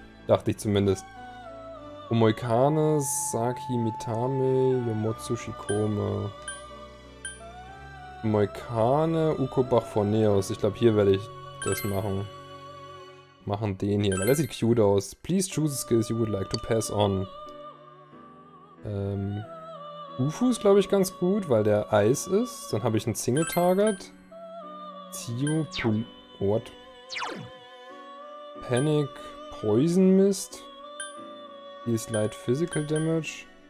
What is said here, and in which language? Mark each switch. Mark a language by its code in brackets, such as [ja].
[de] Dachte ich zumindest. Omoikane, Saki Mitame, Yomotsu Shikome. Omoikane, Ukobach von Neos. Ich glaube, hier werde ich das machen. Machen den hier, weil der sieht cute aus. [en] Please choose the skills you would like to pass on. [de] Ufu ist, glaube ich, ganz gut, weil der Eis ist. Dann habe ich einen Single-Target. Zio, what? [en] Panic, Poison Mist. Heals Light Physical Damage.